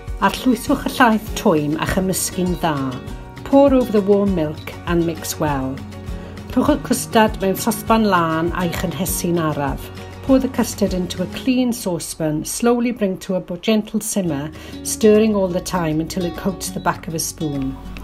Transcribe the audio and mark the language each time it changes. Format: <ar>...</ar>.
<cy>Arllwythwch y laeth twym a chymysgu'n dda.</cy> <en>Pour over the warm milk and mix well.</en> <cy>Rhowch y custard mewn sosban lân a'i chynhesu'n araf.</cy> <en>Pour the custard into a clean saucepan, slowly bring to a gentle simmer, stirring all the time until it coats the back of a spoon.</en>